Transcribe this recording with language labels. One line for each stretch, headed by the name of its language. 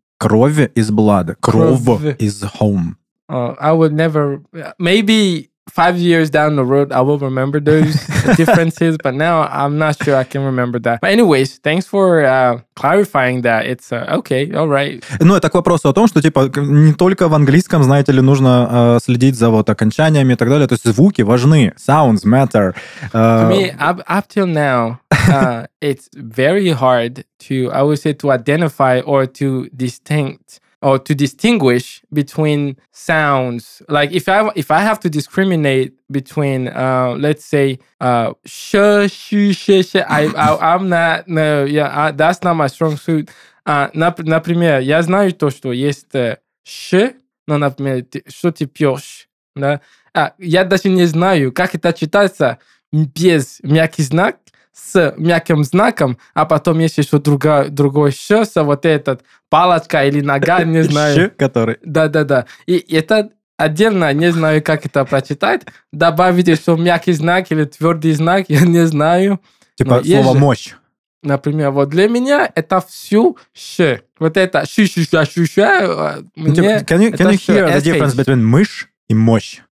English: Крови is blood. Кров is home. I would never... Maybe 5 years down the road, I will remember those differences, but now I'm not sure I can remember that. But anyways, thanks for clarifying that. It's okay, all right.
Russian: Ну, это к вопросу о том, что, типа, не только в английском, знаете ли, нужно следить за вот окончаниями и так далее. То есть звуки важны.
English: Sounds matter. To me, up till now, it's very hard to, I would say, to identify or to distinguish between sounds. Like if I have to discriminate between let's say sh sh sh sh I'm not that's not my strong suit.
Russian: Например, я знаю то, что есть sh, но например, что ты пьёшь, да? Я даже не знаю, как это читается без мягкий знак. С мягким знаком, а потом есть еще другой щеса, вот этот, палочка или нога, не знаю. Щ, который. Да-да-да. И это отдельно, не знаю, как это прочитать. Добавить еще мягкий знак или твердый знак, я не знаю. Типа но слово мощь. Например, вот для меня это все щ. Вот это щ-щ-щ-щ-щ-щ.
English: Can you hear the difference between
Russian: мышь и мощь?